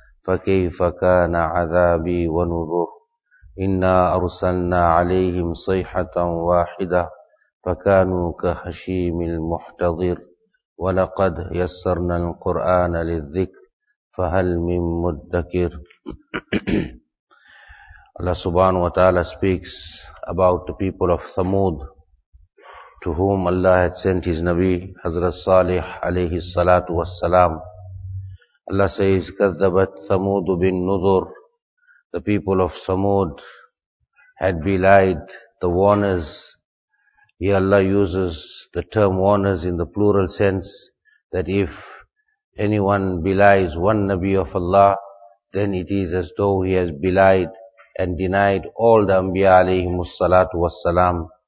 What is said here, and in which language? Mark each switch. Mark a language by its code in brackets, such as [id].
[ar] فكيف كان عذابي ونذر. إنا أرسلنا عليهم صيحة واحدة فكانوا كهشيم المحتضر. ولقد يسرنا القرآن للذكر فهل من مدكر. [en] Allah subhanahu wa ta'ala speaks about the people of Thamud, to whom Allah had sent his Nabi, Hazrat Salih alayhi salatu was salam. [ar] Allah says, كَذَّبَتْ ثَمُودُ بِالنُّذُرِ. [en] The people of Thamud had belied the warners. Here Allah uses the term warners in the plural sense, that if anyone belies one Nabi of Allah, then it is as though he has belied and denied all the Anbiya alayhimu salatu wassalam.